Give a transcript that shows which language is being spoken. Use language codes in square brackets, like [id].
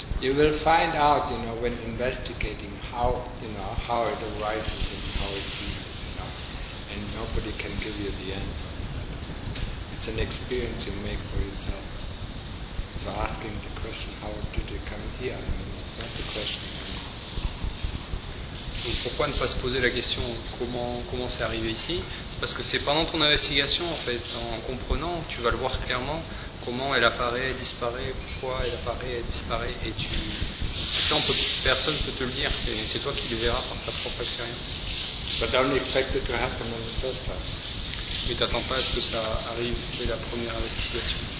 [en] You will find out, you know, when investigating how, you know, how it arises and how it ceases, you know. And nobody can give you the answer. It's an experience you make for yourself. So asking the question, how did it come here? I mean, it's not the question. [fr] Donc pourquoi ne pas se poser la question comment c'est arrivé ici? C'est parce que c'est pendant ton investigation, en fait, en comprenant, tu vas le voir clairement. Comment elle apparaît, elle disparaît, pourquoi elle apparaît, elle disparaît, et tu. Ça, personne ne peut te le dire, c'est toi qui le verras par ta propre expérience. [en] But I only expect it to happen on the first time. [fr] Mais t'attends pas à ce que ça arrive dès la première investigation.